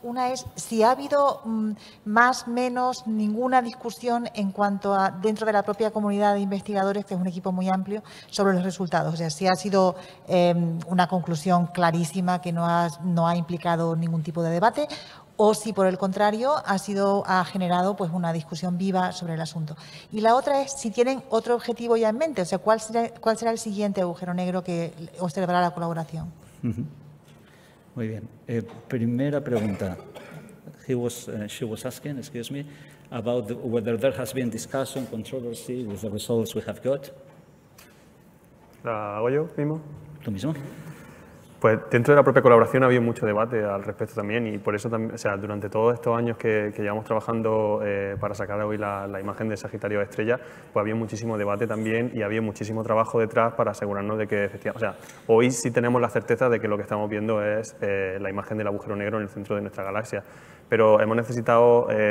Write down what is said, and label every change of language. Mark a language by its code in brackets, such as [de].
[es] Una es si ha habido más o menos ninguna discusión en cuanto a dentro de la propia comunidad de investigadores, que es un equipo muy amplio, sobre los resultados. O sea, si ha sido una conclusión clarísima que no ha implicado ningún tipo de debate, o si por el contrario ha generado pues una discusión viva sobre el asunto. Y la otra es si tienen otro objetivo ya en mente, o sea, ¿cuál será el siguiente agujero negro que observará la colaboración? Muy bien. Primera pregunta. [en] She was asking, excuse me, about whether there has been discussion, controversy with the results we have got. [es] ¿La hago yo mismo? ¿Tú mismo? Pues dentro de la propia colaboración ha habido mucho debate al respecto también, y por eso también, o sea, durante todos estos años que llevamos trabajando para sacar hoy la imagen de Sagitario Estrella, pues había muchísimo debate también y había muchísimo trabajo detrás para asegurarnos de que efectivamente, o sea, hoy sí tenemos la certeza de que lo que estamos viendo es la imagen del agujero negro en el centro de nuestra galaxia, pero hemos necesitado